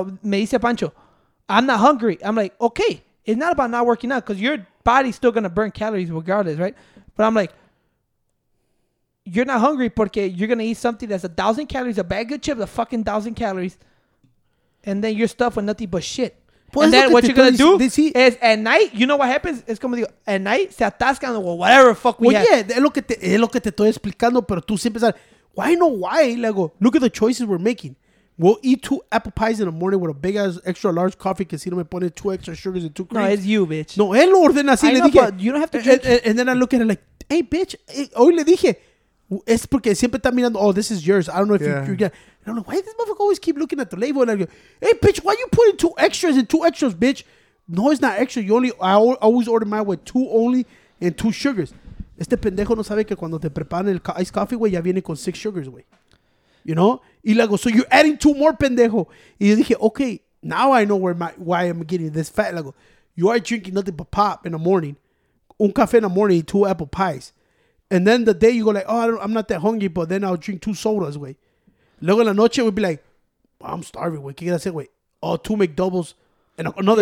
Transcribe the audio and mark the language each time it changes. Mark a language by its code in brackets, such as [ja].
[es] Cuando me dice Pancho, [en] I'm not hungry. I'm like, okay, it's not about not working out because your body's still going to burn calories regardless, right? But I'm like, you're not hungry porque you're going to eat something that's 1,000 calories, a bag of chips, a fucking 1,000 calories. And then you're stuffed with nothing but shit. Pues and then what you're going to do is at night, you know what happens? It's como digo, at night, [es] se atascan o [en] whatever the fuck we have. Well, yeah, [es] es lo que te estoy explicando, pero tú siempre sabes, [en] why no why? Luego, look at the choices we're making. We'll eat 2 apple pies in the morning with a big ass extra large coffee because he don't put in 2 extra sugars and 2 creams. No, it's you, bitch. [es] No, él lo ordena así. Le dije, [en] you don't have to drink. And then I look at it like, hey, bitch, [es] hoy le dije, es porque siempre está mirando, [en] oh, this is yours. I don't know if you're going to. And I'm like, why does this motherfucker always keep looking at the label? And I go, hey, bitch, why you putting 2 extras and 2 extras, bitch? No, it's not extra. You only, I always order mine with two only and two sugars. [es] Este pendejo no sabe que cuando te preparan el [en] iced coffee, [es] güey, ya viene con [en] six sugars, [es] güey. [en] You know? [es] Y luego, [en] so you're adding two more, pendejo. [es] Y yo dije, [en] okay, now I know where my why I'm getting this fat. Like, you are drinking nothing but pop in the morning. [es] Un café [en] in the morning, two apple pies. And then the day you go like, oh, I don't, I'm not that hungry, but then I'll drink two sodas, güey. [es] Luego en la noche, [en] we'd be like, oh, I'm starving, güey. [es] ¿Qué quieres hacer, güey? [en] Oh, two McDoubles. And another